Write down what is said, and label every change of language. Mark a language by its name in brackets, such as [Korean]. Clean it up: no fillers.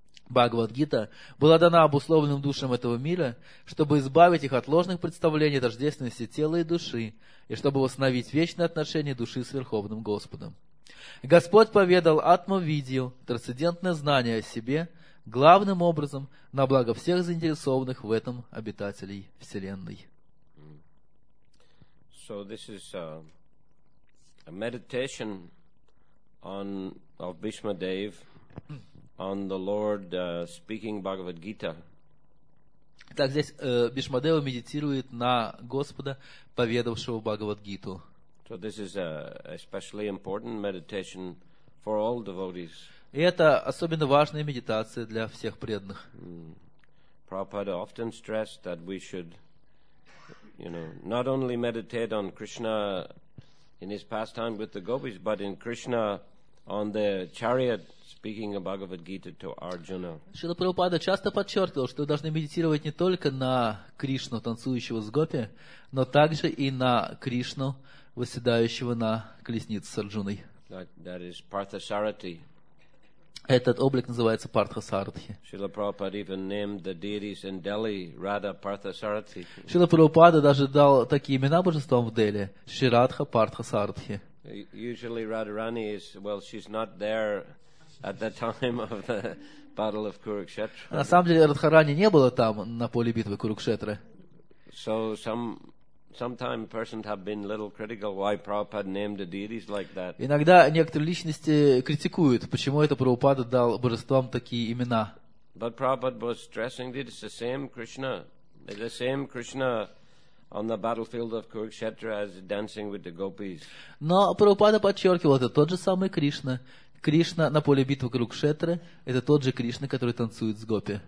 [Russian] Бхагавад-гита была дана обусловленным душам этого мира, чтобы избавить их от ложных представлений тождественности тела и души, и чтобы восстановить вечные отношения души с Верховным Господом. Господь поведал Атма-видью, трансцендентное знание о себе, главным образом на благо всех заинтересованных в этом обитателей Вселенной. [English] So this is a meditation on of Bhishma Dev on the Lord speaking Bhagavad Gita. [Russian] Так здесь Бишмадева медитирует на Господа, поведавшего Бхагавад-гиту. [English] So this is a especially important meditation for all devotees. [Russian] И это особенно важная медитация для всех преданных. [English] Prabhupada often stressed that we should, you know, not only meditate on Krishna in his pastime with the gopis, but in Krishna on the chariot. Speaking of Bhagavad-gita to Arjuna. [Russian] Шрила Прабхупада часто подчеркивал, что вы должны медитировать не только на Кришну, танцующего с гопи, но также и на Кришну, восседающего на колеснице с Арджуной. [English] That is Partha-sarathi. [Russian] Этот облик называется Партха-сарати. [English] Шрила Прабхупада even named the deities in Delhi Radha Partha-sarathi. [Russian] Шрила Прабхупада даже дал такие имена божествам в Дели: Ширадха Партха-сарати. [English] Usually Radharani is, well, she's not there. at the time of the battle of Kurukshetra. [Russian] На самом деле Радхарани не было там на поле битвы Курукшетры. [English] So sometimes persons have been a little critical why Prabhupada named the deities like that. [Russian] Иногда некоторые личности критикуют, почему это Прабхупада дал божествам такие имена. [English] But Prabhupada was stressing that it's the same Krishna. It's the same Krishna on the battlefield of Kurukshetra as dancing with the gopis. [Russian] Но Прабхупада подчеркивал, это тот же самый Кришна. Кришна на поле битвы Курукшетры, это тот же Кришна, который танцует с гопи.